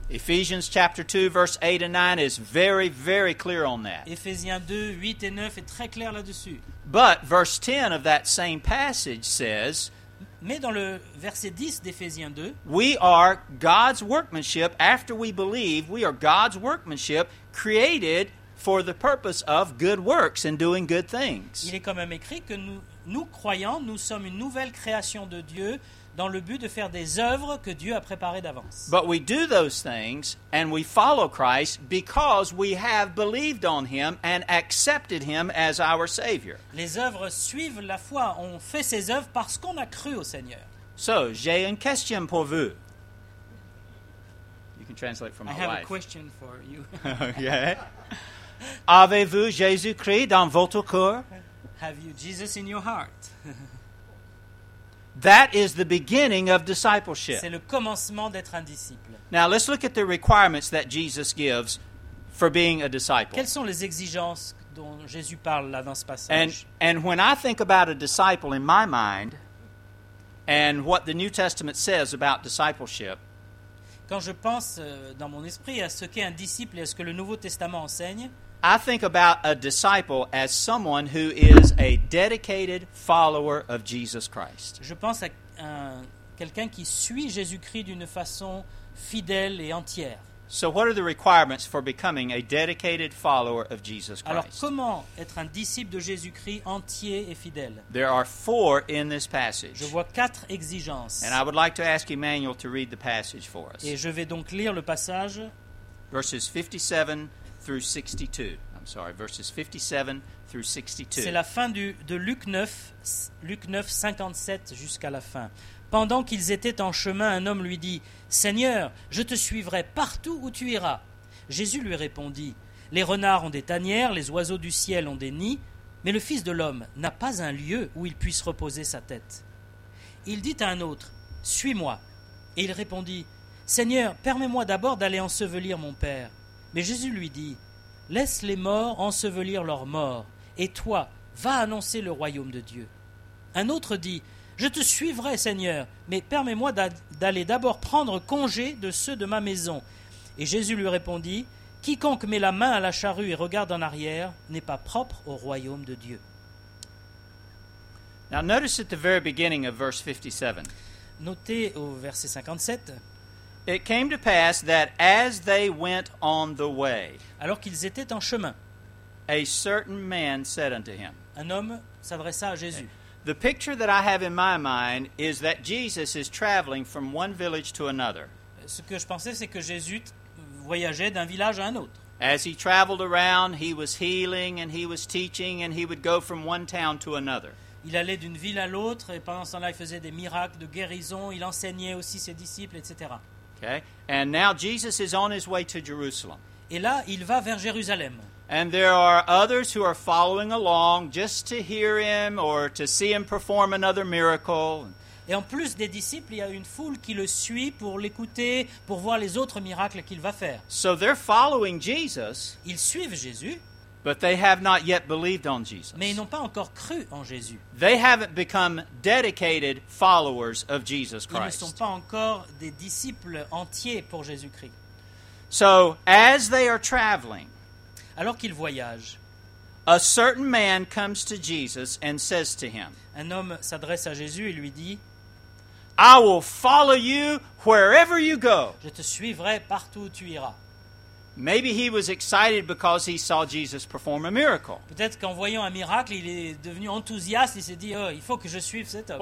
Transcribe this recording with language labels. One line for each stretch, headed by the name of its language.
English: Ephesians chapter 2 verse 8 and 9 is very very clear on that.
French: Éphésiens 2 8 et 9 est très clair là-dessus.
English: But verse 10 of that same passage says,
French: mais dans le verset 10 d'Éphésiens 2,
English: we are God's workmanship after we believe, we are God's workmanship created for the purpose of good works and doing good things.
French: Il est quand même écrit que nous croyants, nous sommes une nouvelle création de Dieu dans le but de faire des œuvres que Dieu a préparées d'avance.
English: But we do those things and we follow Christ because we have believed on him and accepted him as our savior.
French: Les œuvres suivent la foi, on fait ces œuvres parce qu'on a cru au Seigneur. So, j'ai une question pour vous.
English: You can translate from my wife. I have a question for you. Okay.
French: Avez-vous Jésus-Christ dans votre cœur?
English: Have you Jesus in your heart? That is the beginning of discipleship.
French: C'est le commencement d'être un disciple.
English: Now let's look at the requirements that Jesus gives for being a disciple.
French: Quelles sont les exigences dont Jésus parle là dans ce passage?
English: And when I think about a disciple in my mind and what the New Testament says about discipleship,
French: quand je pense dans mon esprit à ce qu'est un disciple et à ce que le Nouveau Testament enseigne,
English: I think about a disciple as someone who is a dedicated follower of Jesus Christ.
French: Je pense à quelqu'un qui suit Jésus-Christ d'une façon fidèle et entière.
English: So what are the requirements for becoming a dedicated follower of Jesus Christ?
French: Alors comment être un disciple de Jésus-Christ entier et fidèle?
English: There are four in this passage.
French: Je vois quatre exigences.
English: And I would like to ask Emmanuel to read the passage for us.
French: Et je vais donc lire le passage.
English: Verses 57 through 62. I'm sorry, verses 57 through 62.
French: C'est la fin de Luc 9, 57 jusqu'à la fin. Pendant qu'ils étaient en chemin, un homme lui dit, « Seigneur, je te suivrai partout où tu iras. » Jésus lui répondit, « Les renards ont des tanières, les oiseaux du ciel ont des nids, mais le Fils de l'homme n'a pas un lieu où il puisse reposer sa tête. » Il dit à un autre, « Suis-moi. » Et il répondit, « Seigneur, permets-moi d'abord d'aller ensevelir mon père. » Mais Jésus lui dit, « Laisse les morts ensevelir leurs morts, et toi, va annoncer le royaume de Dieu. » Un autre dit, « Je te suivrai, Seigneur, mais permets-moi d'aller d'abord prendre congé de ceux de ma maison. » Et Jésus lui répondit, « Quiconque met la main à la charrue et regarde en arrière n'est pas propre au royaume de Dieu. »
English: Now notice at the very beginning of verse 57.
French: Notez au verset 57.
English: « It came to pass that as they went on the way,
French: alors qu'ils étaient en chemin,
English: a certain man said unto him,
French: un homme s'adressa à Jésus.
English: Okay. The picture that I have in my mind is that Jesus is traveling from one village to another.
French: Ce que je pensais, c'est que Jésus voyageait d'un village à un autre.
English: As he traveled around, he was healing and he was teaching and he would go from one town to another.
French: Il allait d'une ville à l'autre et pendant ce temps-là, il faisait des miracles de guérison, il enseignait aussi ses disciples, etc.
English: Okay. And now Jesus is on his way to Jerusalem.
French: Et là, il va vers Jérusalem.
English: And there are others who are following along just to hear him or to see him perform another miracle.
French: Et en plus des disciples, il y a une foule qui le suit pour l'écouter, pour voir les autres miracles qu'il va faire.
English: So they're following Jesus.
French: Ils suivent Jésus.
English: But they have not yet believed on Jesus.
French: Mais ils n'ont pas encore cru en Jésus.
English: They haven't become dedicated followers of Jesus Christ.
French: Ils ne sont pas encore des disciples entiers pour Jésus-Christ.
English: So, as they are traveling,
French: alors qu'ils voyagent,
English: a certain man comes to Jesus and says to him,
French: un homme s'adresse à Jésus et lui dit,
English: I will follow you wherever you go.
French: Je te suivrai partout où tu iras.
English: Maybe he was excited because he saw Jesus perform a miracle.
French: Peut-être qu'en voyant un miracle, il est devenu enthousiaste, il s'est dit, oh, il faut que je suive cet homme.